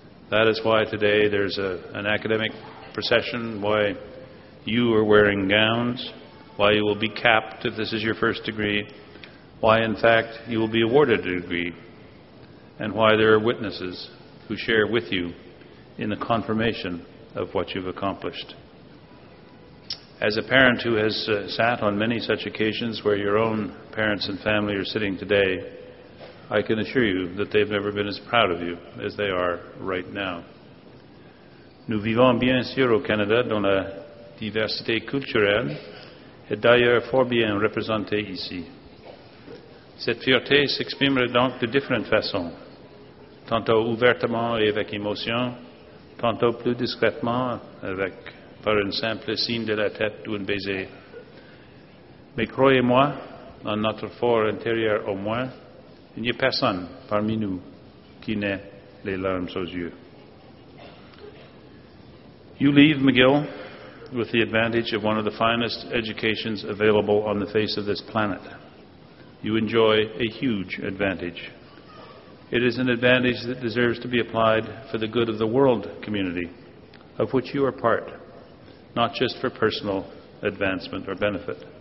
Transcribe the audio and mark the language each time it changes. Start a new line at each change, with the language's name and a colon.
English: That is why today there's an academic procession, why you are wearing gowns, why you will be capped if this is your first degree, why, in fact, you will be awarded a degree, and why there are witnesses who share with you in the confirmation of what you've accomplished. As a parent who has sat on many such occasions where your own parents and family are sitting today, I can assure you that they've never been as proud of you as they are right now.
French: Nous vivons bien sûr au Canada dans la diversité culturelle et d'ailleurs fort bien représentée ici. Cette fierté s'exprimera donc de différentes façons, tantôt ouvertement et avec émotion, tantôt plus discrètement par un simple signe de la tête ou un baiser. Mais croyez-moi, dans notre fort intérieur au moins, il n'y a personne parmi nous qui n'ait les larmes aux yeux.
English: You leave McGill with the advantage of one of the finest educations available on the face of this planet. You enjoy a huge advantage. It is an advantage that deserves to be applied for the good of the world community, of which you are part, not just for personal advancement or benefit.